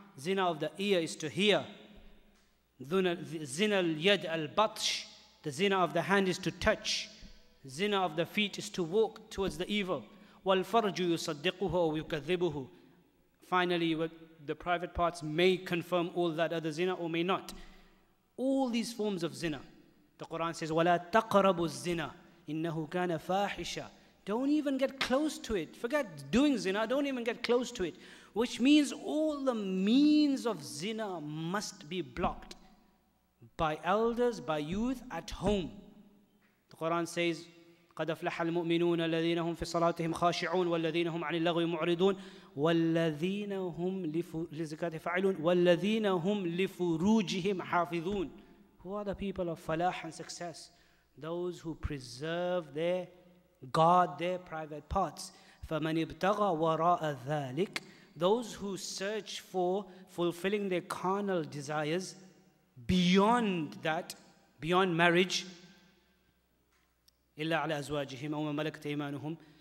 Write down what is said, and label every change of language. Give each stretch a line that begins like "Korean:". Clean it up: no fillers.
English: Zina of the ear is to hear. Zina al-yad al-batsh. The zina of the hand is to touch. Zina of the feet is to walk towards the evil.
Arabic: وَالْفَرْجُ يُصَدِّقُهُ وَيُكَذِّبُهُ.
English: Finally, the private parts may confirm all that other zina or may not. All these forms of zina. The Quran says,
Arabic: وَلَا تَقْرَبُ الزِّنَا إِنَّهُ كَانَ فَاحِشًا.
English: Don't even get close to it. Forget doing zina, don't even get close to it. Which means all the means of zina must be blocked by elders, by youth at home. The Quran says,
Arabic: قَدْ أَفْلَحَ الْمُؤْمِنُونَ الَّذِينَ هُمْ فِي صَلَاتِهِمْ خَاشِعُونَ وَالَّذِينَ هُمْ عَنِ اللَّغْوِ مُعْرِضُونَ وَالَّذِينَ هُمْ لِزَكَاةِ فَاعِلُونَ وَالَّذِينَ هُمْ لِفُرُوجِهِمْ حَافِظُونَ.
English: Who are the people of falah and success? Those who preserve their private parts.
Arabic: فَمَنِ ابْتَغَى وَرَاءَ ذَلِكَ.
English: Those who search for fulfilling their carnal desires beyond that, beyond marriage,
Arabic: إِلَّا عَلَى أَزْوَاجِهِمْ أَوْ مَا مَلَكَتْ أَيْمَانُهُمْ.